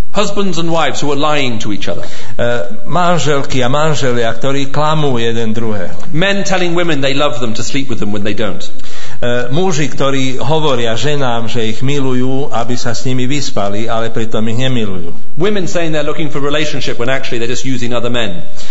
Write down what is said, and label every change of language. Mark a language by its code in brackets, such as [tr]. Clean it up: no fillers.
[en] Husbands and wives who are lying to each other. [sk] Manželky a manželia, ktorí klamú jeden druhého. [en] Men telling women they love them to sleep with them when they don't. [sk] Muži, ktorí hovoria ženám, že ich milujú, aby sa s nimi vyspali, ale pritom ich nemilujú. [en] Women saying they're looking for relationship when actually they're just using other men.